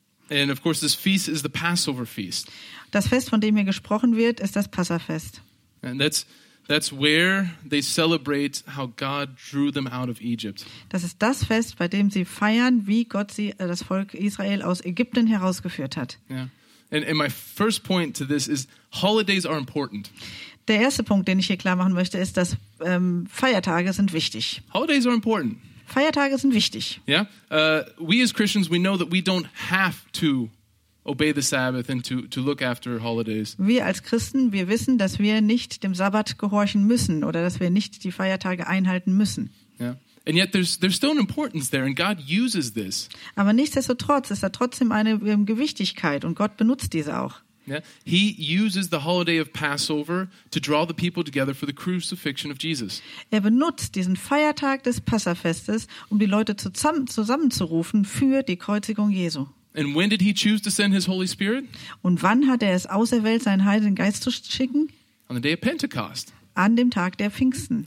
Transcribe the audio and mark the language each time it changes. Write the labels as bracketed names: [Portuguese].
[English] And of course, this feast is the Passover feast. [German] Das Fest, von dem hier gesprochen wird, ist das Passafest. [English] And that's where they celebrate how God drew them out of Egypt. [German] Das ist das Fest, bei dem sie feiern, wie Gott sie das Volk Israel aus Ägypten herausgeführt hat. [English] Yeah. And my first point to this is holidays are important. [German] Der erste Punkt, den ich hier klar machen möchte, ist, dass Feiertage sind wichtig. [English] Holidays are important. [German] Feiertage sind wichtig. [English] Yeah. We as Christians, we know that we don't have to obey the Sabbath and to look after holidays. [German] Wir als Christen, wir wissen, dass wir nicht dem Sabbat gehorchen müssen oder dass wir nicht die Feiertage einhalten müssen. [English] Yeah. And yet there's still an importance there and God uses this. [German] Aber nichtsdestotrotz ist da trotzdem eine Gewichtigkeit und Gott benutzt diese auch. [English] Yeah. He uses the holiday of Passover to draw the people together for the crucifixion of Jesus. [German] Er benutzt diesen Feiertag des Passafestes, um die Leute zusammenzurufen für die Kreuzigung Jesu. [English] And when did he choose to send his Holy Spirit? [German] Und wann hat er es auserwählt, seinen Heiligen Geist zu schicken? [English] On the day of Pentecost. [German] An dem Tag der Pfingsten.